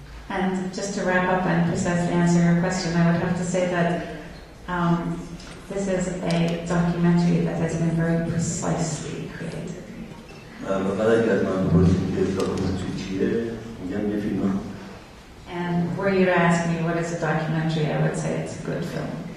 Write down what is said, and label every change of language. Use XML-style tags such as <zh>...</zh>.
<en>And just to wrap up and precisely answer your question, I would have to say that this is a documentary that has been very precisely created.</en> <fa>بعد اگر از من بپرسید که داکیومنتری چیه، میگم یه فیلم.</fa> <en>And were you to ask me what is a documentary, I would say it's a good film.</en>